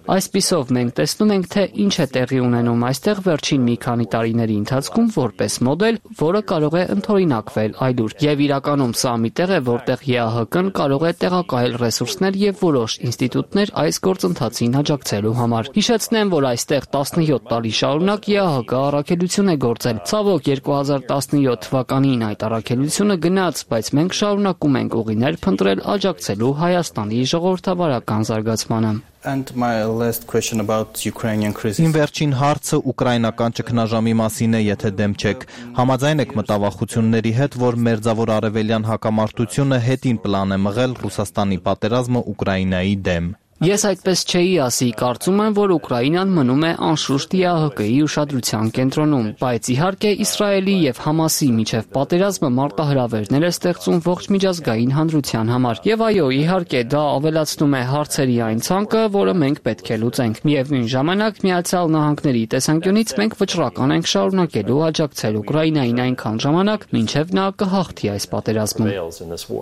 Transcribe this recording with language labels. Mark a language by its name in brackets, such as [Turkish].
[Armenian] Այսպիսով մենք տեսնում ենք, թե ինչ է տեղի ունենում այստեղ վերջին մի քանի տարիների ընթացքում որպես մոդել, որը կարող է ընդօրինակվել այլուր։ Եվ իրականում սա մի տեղ է, որտեղ ԵԱՀԿ-ն կարող է տեղակայել ռեսուրսներ եւ որոշ ինստիտուտներ այս գործընթացին աջակցելու համար։ Հիշեցնեմ, որ այստեղ 17 տարի շարունակ ԵԱՀԿ-ը առաքելություն է գործել։ Ցավոք 2017 թվականին այդ առաքելությունը գնաց, բայց մենք շարունակում ենք ուղիներ փնտրել աջակցելու Հայաստանի ժողովրդավարական զարգացմանը։ [English] And my last question about Ukrainian crisis. [Armenian] Իմ վերջին հարցը ուկրաինական ճգնաժամի մասին է, եթե դեմ չեք։ Համաձայն եք մտավախությունների հետ, որ մերձավոր արևելյան հակամարտությունը հետին պլան է մղել Ռուսաստանի պատերազմը Ուկրաինայի դեմ։ Ես այդպես չէի ասի, կարծում եմ, որ Ուկրաինան մնում է անշուշտ ԵԱՀԿ-ի ուշադրության կենտրոնում, բայց իհարկե Իսրայելի եւ Համասի միջև պատերազմը մարտահրավերներ է ստեղծում ողջ միջազգային հանրության համար։ Եվ այո, իհարկե դա ավելացնում է հարցերի այն ցանկը, որը մենք պետք է լուծենք։ Միևնույն ժամանակ, Միացյալ Նահանգների տեսանկյունից մենք վճռական ենք շարունակելու աջակցել Ուկրաինային այնքան ժամանակ, մինչև նա կհաղթի այս պատերազմը։